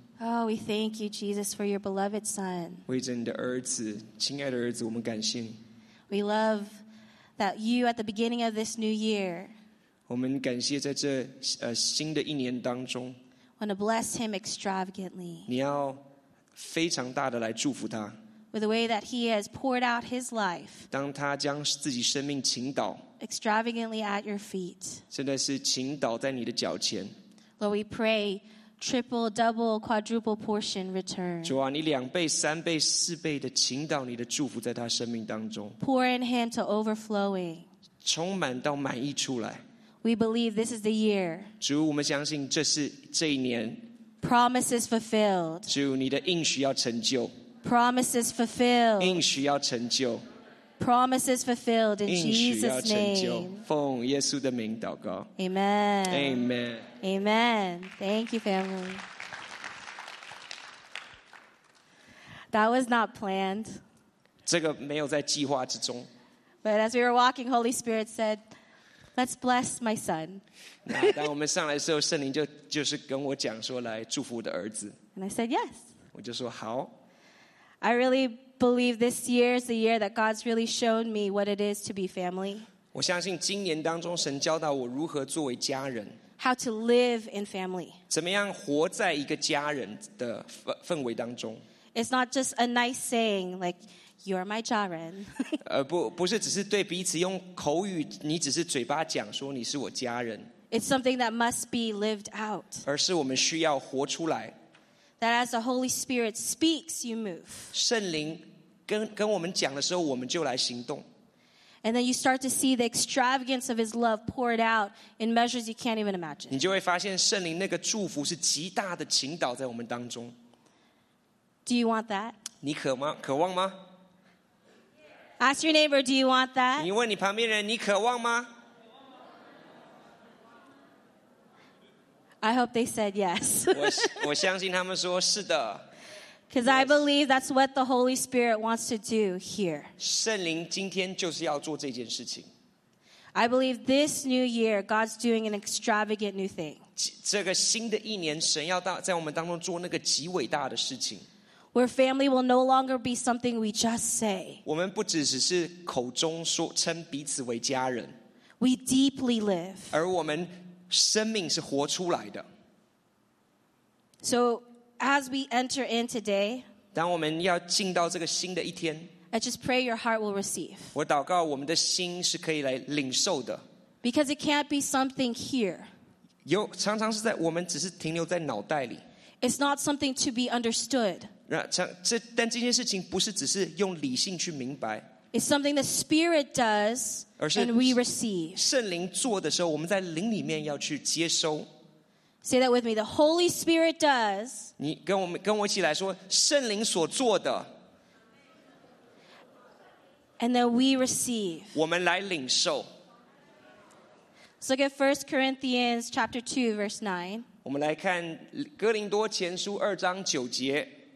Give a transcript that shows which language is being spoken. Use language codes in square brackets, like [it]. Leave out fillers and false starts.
[en] Oh, we thank you, Jesus, for your beloved Son. [zh] 为着你的儿子, 亲爱的儿子, 我们感谢你。 [en] We love that you at the beginning of this new year. [zh] 我们感谢在这, 新的一年当中, [en] want to bless him extravagantly. [zh] 你要非常大的来祝福他。 [en] With the way that he has poured out his life. [zh] 当他将自己生命倾倒, [en] extravagantly at your feet. [zh] 现在是倾倒在你的脚前。 [en] Lord, we pray triple, double, quadruple portion return. [zh] 主啊, 你两倍, 三倍, 四倍的倾倒你的祝福在他生命当中。 [en] Pour in him to overflowing. [zh] 充满到满溢出来。 [en] We believe this is the year. [zh] 主, 我们相信这是这一年。 [en] Promises fulfilled. [zh] 主, 你的应许要成就。 [en] Promises fulfilled. [zh] 应许要成就。 [en] Promises fulfilled in Jesus' name. [zh] 奉耶稣的名祷告。 [en] Amen. Amen. Amen. Thank you, family. That was not planned. [zh] 这个没有在计划之中。 [en] But as we were walking, Holy Spirit said, let's bless my son. [zh] 当我们上来的时候, 圣灵就是跟我讲说, 来祝福我的儿子。 [en] And I said, yes. [zh] 我就说好。 [en] I really believe this year is the year that God's really shown me what it is to be family. [zh] 我相信今年当中神教导我如何作为家人。 [en] How to live in family. [zh] 怎么样活在一个家人的氛围当中。 [en] It's not just a nice saying like, you're my 家人。 [zh] 不是只是对彼此用口语,你只是嘴巴讲说你是我家人。 [en] It's something that must be lived out. [zh] 而是我们需要活出来。 [en] That as the Holy Spirit speaks, you move. [zh] 圣灵跟我们讲的时候,我们就来行动。 [en] And then you start to see the extravagance of his love poured out in measures you can't even imagine. [zh] 你就会发现圣灵那个祝福是极大的倾倒在我们当中。 [en] Do you want that? [zh] 你渴吗?渴望吗? [en] Ask your neighbor, do you want that? [zh] 你问你旁边人,你渴望吗? [en] I hope they said yes. [zh] 我相信他们说是的。 [en] Because I believe that's what the Holy Spirit wants to do here. [zh] 圣灵今天就是要做这件事情。 [en] I believe this new year, God's doing an extravagant new thing. [zh] 这个新的一年, 神要在我们当中做那个极伟大的事情。 [en] Where family will no longer be something we just say. [zh] 我们不只是口中说称彼此为家人。 [en] We deeply live. [zh] 而我们 生命是活出来的。 [en] So as we enter in today, [zh] 当我们要进到这个新的一天, [en] I just pray your heart will receive. [zh] 我祷告我们的心是可以来领受的。 [en] Because it can't be something here. [zh] 常常是在我们只是停留在脑袋里。 [en] It's not something to be understood. [zh] 但这件事情不是只是用理性去明白。 [en] It's something the Spirit does and we receive. [zh] 圣灵做的时候, 我们在灵里面要去接收。 [en] Say that with me, the Holy Spirit does. [zh] 你跟我一起来说, 圣灵所做的, [en] and then we receive. [zh] 我们来领受。 [en] Let's look at 1 Corinthians chapter 2, verse 9. [zh] 我们来看哥林多前书2章9节。